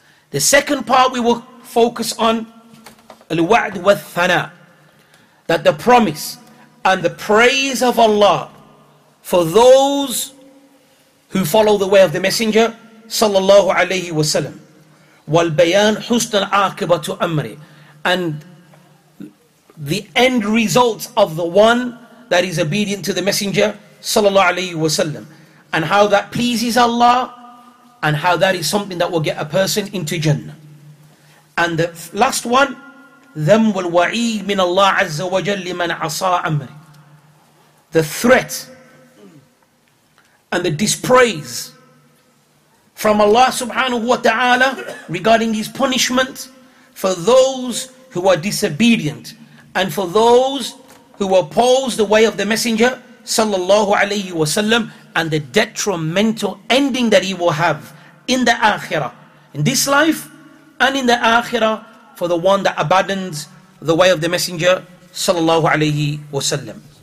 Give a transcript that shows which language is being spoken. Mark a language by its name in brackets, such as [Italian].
[English] The second part we will focus on, [Arabic] al-wa'd wa thana, [English] that the promise and the praise of Allah for those who follow the way of the messenger sallallahu alayhi wa sallam, [Arabic] wal bayan husn al-aqibatu amri, [English] and the end results of the one that is obedient to the messenger sallallahu alayhi wa sallam, and how that pleases Allah, and how that is something that will get a person into Jannah. And the last one, [Arabic] ذنب الوعيد من الله عز وجل لمن عصى أمره. [English] The threat and the dispraise from Allah subhanahu wa ta'ala regarding his punishment for those who are disobedient and for those who oppose the way of the messenger sallallahu alayhi wa sallam, and the detrimental ending that he will have in the akhirah, in this life and in the akhirah, for the one that abandons the way of the messenger sallallahu alayhi wa sallam.